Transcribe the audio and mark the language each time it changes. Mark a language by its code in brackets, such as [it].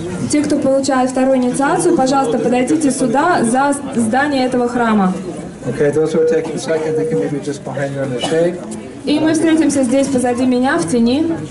[ru] Те, кто получает вторую инициацию, пожалуйста, подойдите сюда, за здание этого храма. [en] Okay, those who are taking second, they can maybe just behind you in the shade. [ru] И мы встретимся здесь, позади меня, в тени.